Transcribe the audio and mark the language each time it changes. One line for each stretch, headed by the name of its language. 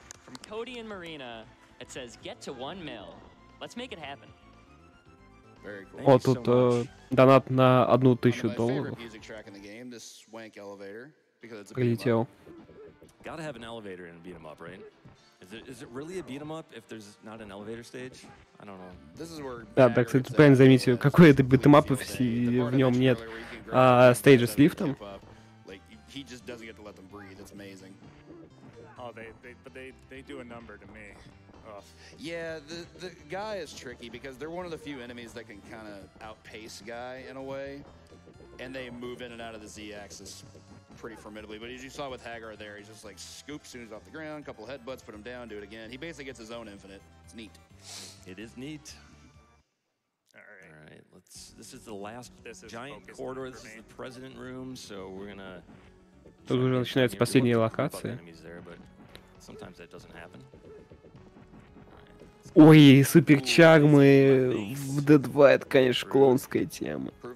English: From Cody and Marina. It says, get to 1 mil. Let's make it happen. Very cool. Thank you so much.
Russian: Донат на 1000 долларов.
English: My favorite music track in the game, this swank elevator, because it's a beat-em-up. Gotta have an elevator in a beat-em-up, right? Is it really a beat-em-up if there's not an elevator stage? I don't know. This is where.
Russian: Да, так кстати, Пен, заметьте, какой это beat-em-up, если в нем нет стейджа с лифтом.
English: Like, he just doesn't get to let them breathe. It's amazing. Oh, they do a number to me. Ugh. Yeah, the guy is tricky because they're one of the few enemies that can kind of outpace guy in a way, and they move in and out of the Z-axis. Pretty formidably, but as you saw with Hagar there, he's just like scoop as soon as off the ground, couple headbutts, put him down, do it again. He basically gets his own infinite. It's neat. It is neat. All right. This is giant corridor. This is the president room, so we're gonna.
Russian: Тут уже начинается последняя локация.
English: Sometimes that doesn't happen.
Russian: Ой, супер чагмы в D2, это, конечно, клонская тема.